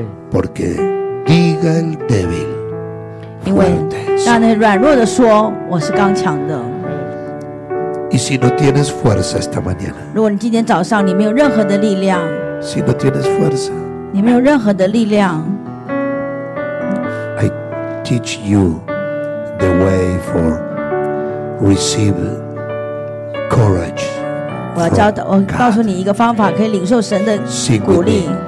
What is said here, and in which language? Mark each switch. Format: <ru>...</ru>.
<es>Porque diga el débil,</es> <zh>因为让那些软弱的说, 我是刚强的。</zh> <es>Y si no tienes fuerza esta mañana,</es> <zh>如果你今天早上你没有任何的力量,</zh> <es>si no tienes fuerza,</es> <zh>你没有任何的力量,</zh> <en>I teach you the way for receive courage.</en> <zh>我告诉你一个方法, 可以领受神的鼓励。</zh>